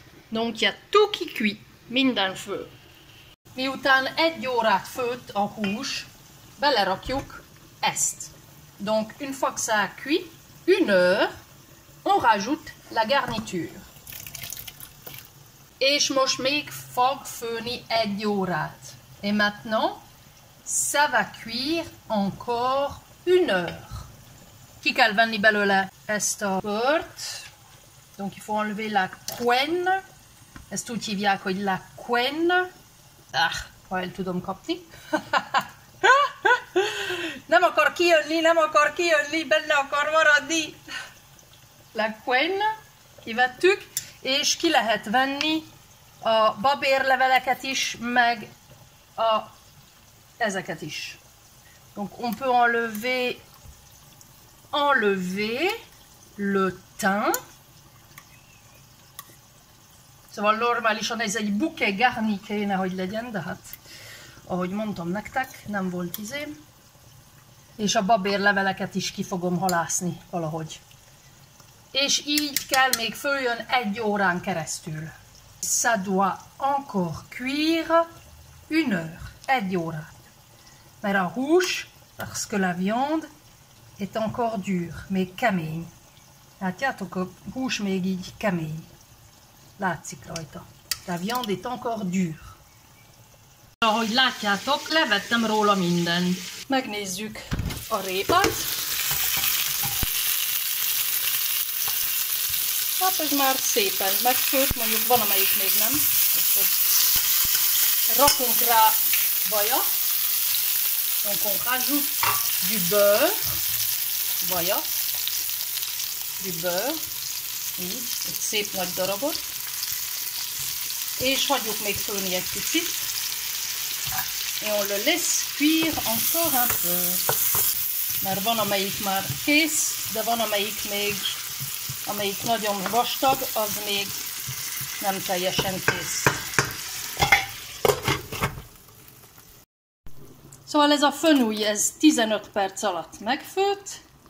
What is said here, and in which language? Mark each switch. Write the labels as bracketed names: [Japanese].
[French] Donc il y a tout qui cuit, [Hungarian] minden fő. Miután egy órát főtt a hús, belerakjuk ezt. [French] Donc une fois que ça a cuit, une heure, on rajoute la garniture. [Hungarian] És most még fog főni egy órát. [French] Et maintenant, ça va cuire encore une heure. [Hungarian] Ki kell venni belőle ezt a bört. [French] Donc il faut enlever la couenne. [Hungarian] Ezt úgy hívják, hogy la couenne. Ah, ha el tudom kapni. Nem akar kijönni, benne akar maradni. La couenne, kivettük, és ki lehet venni a babérleveleket is, meg a ezeket is. [French] Donc on peut enlever le thym. [Hungarian] Szóval normálisan ez egy buke garni kéne, hogy legyen, de hát, ahogy mondtam nektek, nem volt izém. És a babér leveleket is ki fogom halászni valahogy. És így kell még följön egy órán keresztül. [French] Ça doit encore cuire une heure, [Hungarian] egy óra. Mert a hús, [French] parce que la viande est encore dure, [Hungarian] még kemény. Látjátok, a hús még így kemény. Látszik rajta. [French] La viande est encore dure. [Hungarian] Ahogy látjátok, levettem róla mindent. Megnézzük a répát. Hát ez már szépen megfőtt, mondjuk van amelyik még nem. Rakunk rá vajat. [French] Donc on rajoute du beurre. [Hungarian] Vajat. [French] Du beurre. [Hungarian] Így, egy szép nagy darabot. És hagyjuk még főni egy kicsit. [French] Et on le laisse cuire encore un peu. [Hungarian] Mert van, amelyik már kész, de van, amelyik még, amelyik nagyon vastag, az még nem teljesen kész. Szóval ez a fönúj, ez 15 perc alatt megfőtt.